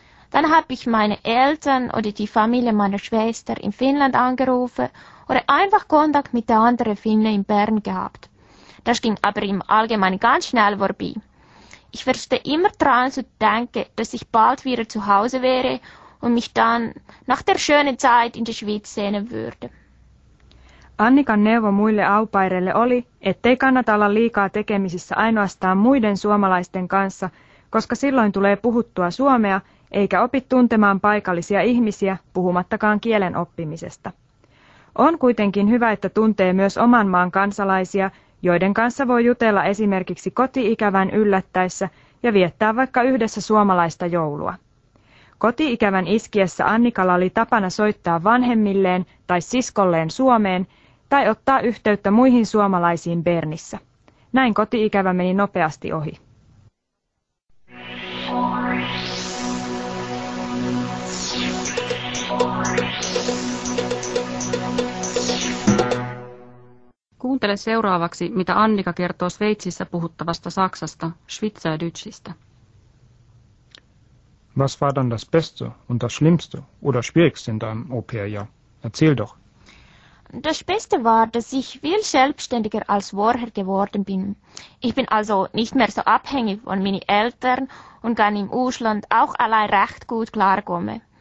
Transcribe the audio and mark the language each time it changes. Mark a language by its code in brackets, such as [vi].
[de] Dann habe ich meine Eltern oder die Familie meiner Schwester in Finnland angerufen oder einfach Kontakt mit den anderen Finnen in Bern gehabt. Das ging aber im Allgemeinen ganz schnell vorbei. Ich versuchte immer daran zu denken, dass ich bald wieder zu Hause wäre und mich dann nach der schönen Zeit in der Schweiz sehnen würde. [fi] Annikan neuvo muille aupaireille oli, ettei kannata olla liikaa tekemisissä ainoastaan muiden suomalaisten kanssa, koska silloin tulee puhuttua suomea, eikä opi tuntemaan paikallisia ihmisiä, puhumattakaan kielen oppimisesta. On kuitenkin hyvä, että tuntee myös oman maan kansalaisia, joiden kanssa voi jutella esimerkiksi koti-ikävän yllättäessä ja viettää vaikka yhdessä suomalaista joulua. Koti-ikävän iskiessä Annikalla oli tapana soittaa vanhemmilleen tai siskolleen Suomeen tai ottaa yhteyttä muihin suomalaisiin Bernissä. Näin koti-ikävä meni nopeasti ohi. Kuuntele seuraavaksi, mitä Annika kertoo Sveitsissä puhuttavasta saksasta, Schweizerdeutschista. [de] Was war dann das Beste und das Schlimmste oder Schwierigste in deinem Au-pair-Jahr? Erzähl doch. Das Beste war, dass ich viel selbstständiger als vorher geworden bin. Ich bin also nicht mehr so abhängig von meinen Eltern und kann im Ausland auch allein recht gut klarkommen.